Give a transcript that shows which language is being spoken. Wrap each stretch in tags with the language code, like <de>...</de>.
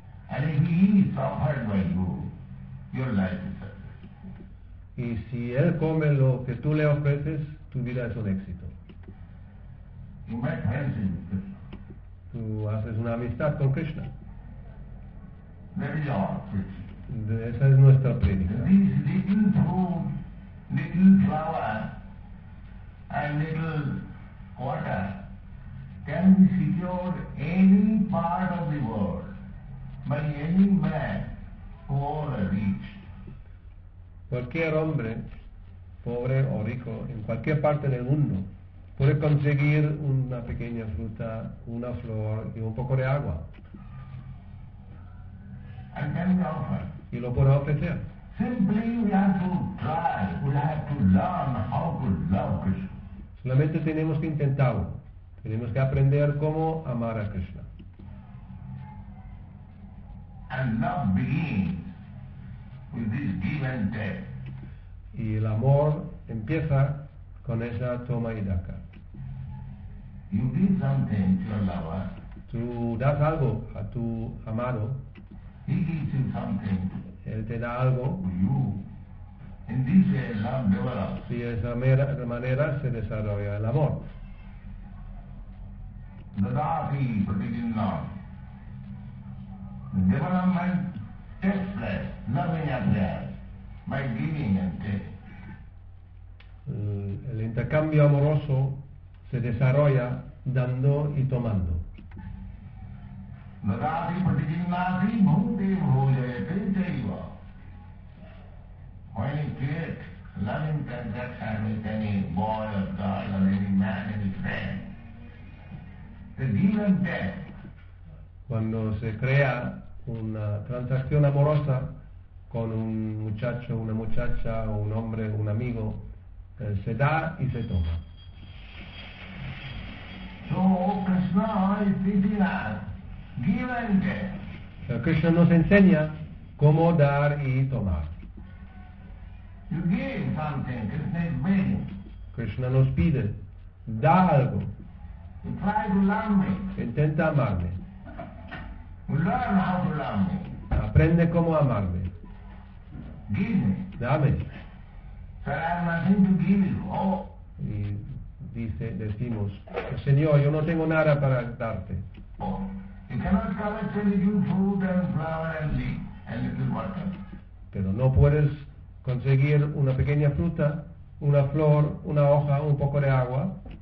<en>And if he is offered by you, your life is successful.</en> <es>Y si él come lo que tú le ofreces, tu vida es un éxito.</es> <en>You make friends with</en> <es>Krishna. Tú haces una amistad con Krishna.</es> <en>There is your Krishna.</en> <es>Esa es nuestra predica.</es> <en>This little fruit, little flower, and little water can be secured any part of the world by any man, poor or rich.</en> <es>Cualquier hombre, pobre o rico, en cualquier parte del mundo, puede conseguir una pequeña fruta, una flor y un poco de agua.</es> <en>And can be offered.</en> <es>Y lo puedo ofrecer.</es> <en>Simply we have to try, we have to learn how to love Krishna.</en> <es>Solamente tenemos que intentarlo. Tenemos que aprender cómo amar a Krishna.</es> <en>And love begins with this give and take.</en> <es>Y el amor empieza con esa toma y daca.</es> <en>You give something to your lover.</en> <es>Tú das algo a tu amado.</es> <en>He gives you something.</en> <es>Él te da algo.</es> <en>You. In this way, love develops.</en> <es>Y de esa manera se desarrolla el amor. The dati, forbidden love.</es> <en>The development takes place, loving as there, by giving and taking.</en> <es>El intercambio amoroso se desarrolla dando y tomando. The dati, forbidden love, bhunti, bhujaya, kriteiva.</es> <en>When you create loving transaction with any boy or girl or any man, any friend, the give and take.</en> <es>Cuando se crea una transacción amorosa con un muchacho, una muchacha, un hombre, un amigo, se da y se toma.</es> <en>So Krishna is teaching us give and take.</en> <es>Pero Krishna nos enseña cómo dar y tomar.</es> <en>You give something, Krishna is begging.</en> <es>Krishna nos pide, da algo.</es> <en>You try to love me.</en> <es>Intenta amarme.</es> <en>You learn how to love me.</en> <es>Aprende cómo amarme.</es> <en>Give me.</en> <es>Dame.</es> <en>Sir, I have nothing to give you. Oh.</en> <es>Y decimos, Señor, yo no tengo nada para darte. Oh.</es> <en>You cannot collect any fruit and flower and leaf and little water.</en> <es>Pero no puedes conseguir una pequeña fruta, una flor, una hoja, un poco de agua.</es>